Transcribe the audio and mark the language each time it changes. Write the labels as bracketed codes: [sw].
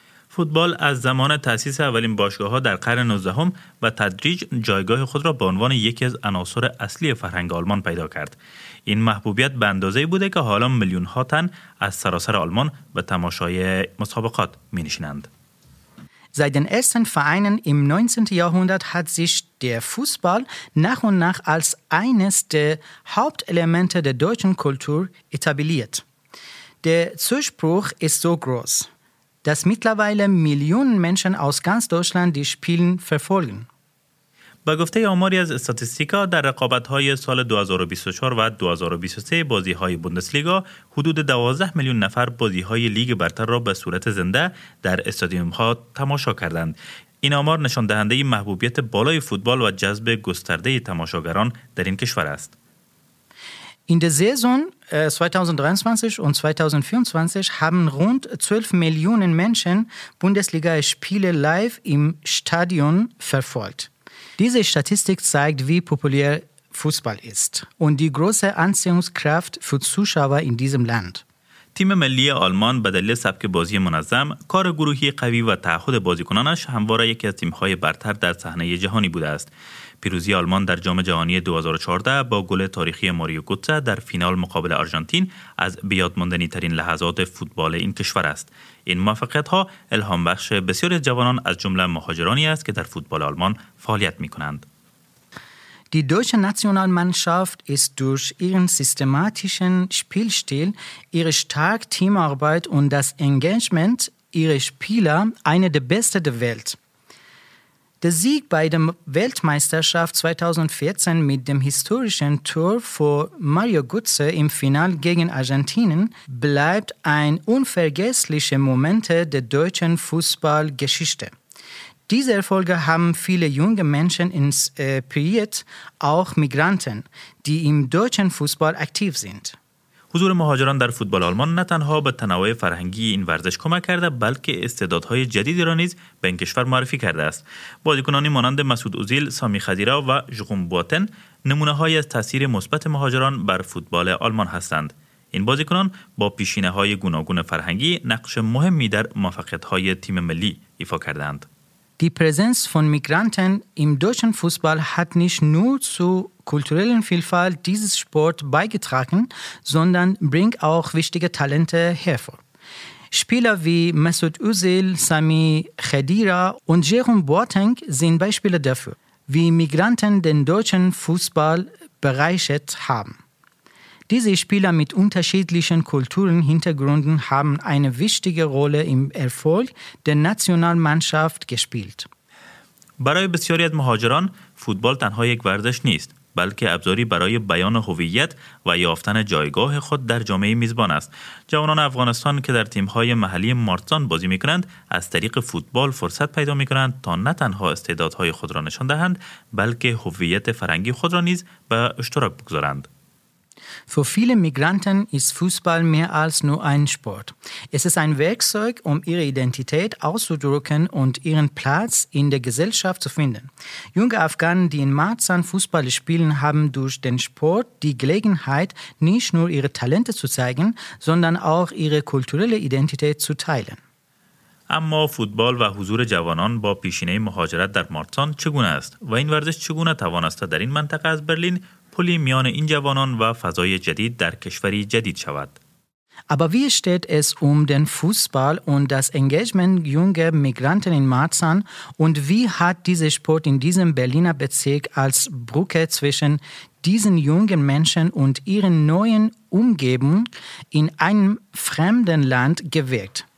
[fa] فوتبال از زمان تأسیس اولین باشگاه‌ها در قرن 19 و تدریج جایگاه خود را به عنوان یکی از عناصر اصلی فرهنگ آلمان پیدا کرد. این محبوبیت به اندازه‌ای بوده که حالا میلیون‌ها تن از سراسر آلمان به تماشای مسابقات می‌نشینند. [de] Seit den ersten Vereinen im 19. Jahrhundert hat sich der Fußball nach und nach als eines der Hauptelemente der deutschen Kultur etabliert. Der Zuspruch ist so groß, dass mittlerweile Millionen Menschen aus ganz Deutschland die Spielen verfolgen. [fa] به گفته آماری از استاتیستیکا در رقابت‌های سال 2024 و 2023 بازی‌های بوندسلیگا حدود 12 میلیون نفر بازی‌های لیگ برتر را به صورت زنده در استادیوم‌ها تماشا کردند. این آمار نشان دهنده محبوبیت بالای فوتبال و جذب گسترده تماشاگران در این کشور است. [de] In der Saison 2023 und 2024 haben rund 12 Millionen Menschen Bundesliga-Spiele live im Stadion verfolgt. Diese Statistik zeigt, wie populär Fußball ist und die große Anziehungskraft für Zuschauer in diesem Land. [fa] تیم ملی آلمان به دلیل سبک بازی منظم، کار گروهی قوی و تعهد بازیکنانش همواره یکی از تیم‌های برتر در صحنه جهانی بوده است. پیروزی آلمان در جام جهانی 2014 با گل تاریخی ماریو گوتسه در فینال مقابل آرژانتین از بیادماندنی‌ترین لحظات فوتبال این کشور است. این موفقیت‌ها الهام بخش بسیاری از جوانان از جمله مهاجرانی است که در فوتبال آلمان فعالیت می‌کنند. [de] Die deutsche Nationalmannschaft ist durch ihren systematischen Spielstil, ihre starke Teamarbeit und das Engagement ihrer Spieler eine der besten der Welt. Der Sieg bei der Weltmeisterschaft 2014 mit dem historischen Tor von Mario Götze im Finale gegen Argentinien bleibt ein unvergesslicher Moment der deutschen Fußballgeschichte. Diese Erfolge haben viele junge Menschen inspiriert, auch Migranten, die im deutschen Fußball aktiv sind. [fa] حضور مهاجران در فوتبال آلمان نه تنها به تنوع فرهنگی این ورزش کمک کرده بلکه استعدادهای جدیدی را نیز به این کشور معرفی کرده است. بازیکنانی مانند مسعود اوزیل، سامی خدیرا و ژوغون بواتن نمونه های از تاثیر مثبت مهاجران بر فوتبال آلمان هستند. این بازیکنان با پیشینه های گوناگون فرهنگی نقش مهمی در موفقیت های تیم ملی ایفا کردند. [de] Die Präsenz von Migranten im deutschen Fußball hat nicht nur zur kulturellen Vielfalt dieses Sports beigetragen, sondern bringt auch wichtige Talente hervor. Spieler wie Mesut Özil, Sami Khedira und Jerome Boateng sind Beispiele dafür, wie Migranten den deutschen Fußball bereichert haben. Diese Spieler mit unterschiedlichen Kulturen, Hintergründen haben eine wichtige Rolle im Erfolg der Nationalmannschaft gespielt. [fa] برای بسیاری از مهاجران فوتبال تنها یک ورزش نیست، بلکه ابزاری برای بیان هویت و یافتن جایگاه خود در جامعه میزبان است. جوانان افغانستان که در تیم‌های محلی مارتزان بازی می‌کنند، از طریق فوتبال فرصت پیدا می‌کنند تا نه تنها استعدادهای خود را نشان دهند، بلکه هویت فرهنگی خود را نیز به اشتراک بگذارند. [de] Für viele Migranten ist Fußball mehr als nur ein Sport. Es ist ein Werkzeug, um ihre Identität auszudrücken und ihren Platz in der Gesellschaft zu finden. Junge Afghanen, die in Marzahn Fußball spielen, haben durch den Sport die Gelegenheit, nicht nur ihre Talente zu zeigen, sondern auch ihre kulturelle Identität zu teilen. [fa] اما فوتبال و حضور جوانان با پیشینه مهاجرت در مارتان چگونه است و این ورزش چگونه توانسته در این منطقه از برلین پلی میان این جوانان و فضای جدید در کشوری جدید شود؟ [de] Aber wie steht es den Fußball und das Engagement junger Migranten in Marzahn und wie hat dieser Sport in diesem Berliner Bezirk als Brücke zwischen diesen jungen Menschen und ihren neuen Umgebung in einem fremden Land gewirkt?